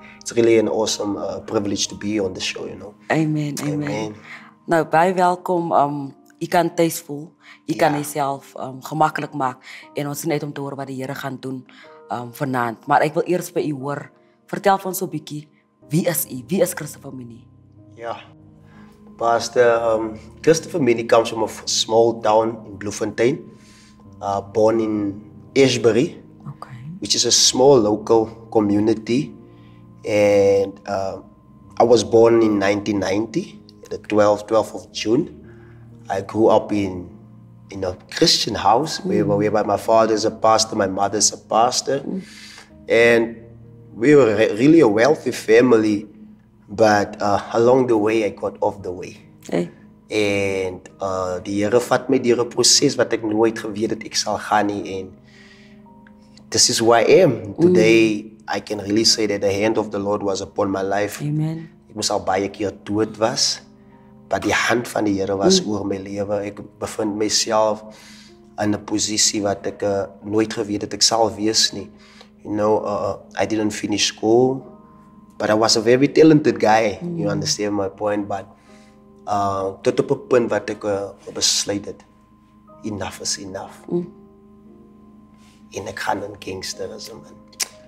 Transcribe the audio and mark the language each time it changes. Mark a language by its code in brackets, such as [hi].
[en] It's really an awesome privilege to be on the show, you know. [af] Amen. Amen. Nou baie welkom. Jy kan tuis voel. Jy kan jouself gemaklik maak en ons is net om te hoor wat die here gaan doen. Vanaand, maar ek wil eers by u hoor, vertel van ons so 'n bietjie, wie is u, wie is Christopher Minnie? [en] Ja, pastor, Christopher Minnie comes from a small town in Bloemfontein, born in Ashbury, okay, which is a small local community, and I was born in 1990, the 12th of June. I grew up in a Christian house, whereby my father is a pastor, my mother is a pastor. Mm. And we were really a wealthy family, but along the way, I got off the way. Hey. [af] And die Here vat my deur 'n proses wat ek nooit geweet het ek sal gaan nie. [en] And this is who I am. Today, I can really say that the hand of the Lord was upon my life. Amen. [af] Ek moes al baie keer dood was. Maar die hand van die Here was oor my lewe. Ek bevind myself in 'n posisie wat ek nooit geweet het ek sal wees nie. [en] You know, I didn't finish school, but I was a very talented guy. Mm. You understand my point, but [af] tot op 'n punt wat ek besluit het, [en] enough is enough. Mm. [af] En ek gaan in gangsterism in.